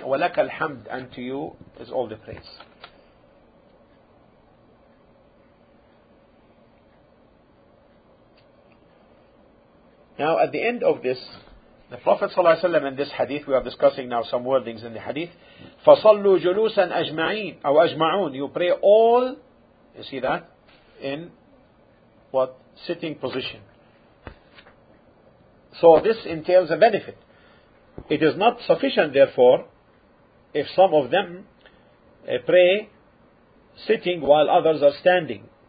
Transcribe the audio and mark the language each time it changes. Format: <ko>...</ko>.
<ar>وَلَكَ الْحَمْدُ,</ar> <en>and to you is all the praise. Now, at the end of this, the Prophet ﷺ in this hadith, we are discussing now some wordings in the hadith.</en> <ar>فَصَلُّوا جُلُوسًا أَجْمَعِينَ أو أَجْمَعُونَ.</ar> <en>You pray all, you see that, in what? Sitting position. So this entails a benefit. It is not sufficient, therefore, if some of them pray sitting while others are standing.</en>